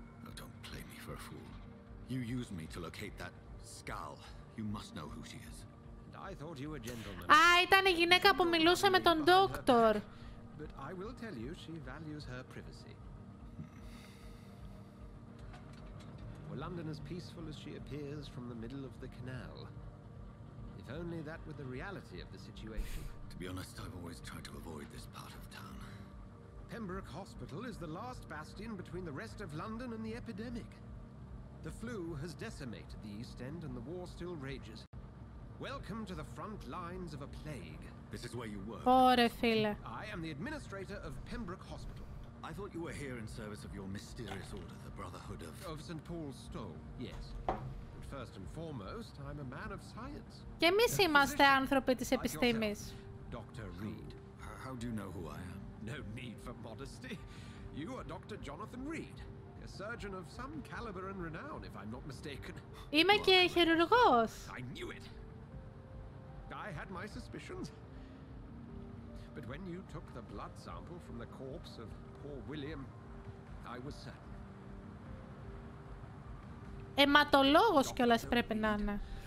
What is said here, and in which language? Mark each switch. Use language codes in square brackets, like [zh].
[en] Oh, don't play me for a fool. You used me to locate that skull. You must know who she is. I thought you were gentleman. [el] Α, ήταν η γυναίκα που μιλούσε με τον ντόκτορ. [en] But I will tell you, she values her privacy. Well, London as peaceful as she appears from the middle of the canal. Only that with the reality of the situation. To be honest, I've always tried to avoid this part of town. Pembroke Hospital is the last bastion between the rest of London and the epidemic. The flu has decimated the East End and the war still rages. Welcome to the front lines of a plague. This is where you work. [el] Ωρε φίλε. [en] I am the administrator of Pembroke Hospital. I thought you were here in service of your mysterious order, the Brotherhood of... Of St. Paul's Stole, yes. First and foremost, I'm a man of science. [el] Και εμείς είμαστε άνθρωποι της επιστήμης. [en] Dr. Reed. How do you know who I am? No need for modesty. You are Dr. Jonathan Reed, a surgeon of some caliber and renown, if I'm not mistaken. [el] Είμαι και χειρουργός. [en] I knew it. I had my suspicions. But when you took the blood sample from the corpse of poor William, I was certain. [el] Αιματολόγος κιόλας πρέπει να είναι.